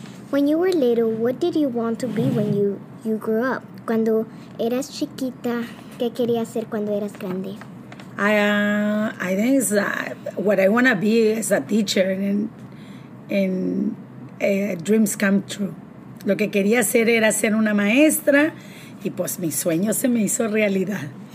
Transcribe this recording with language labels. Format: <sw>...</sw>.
<en>When you were little, what did you want to be when you grew up?</en> <es>Cuando eras chiquita, ¿qué querías ser cuando eras grande?</es> <en>I think it's what I want to be is a teacher, and dreams come true.</en> <es>Lo que quería hacer era ser una maestra, y pues mi sueño se me hizo realidad.</es>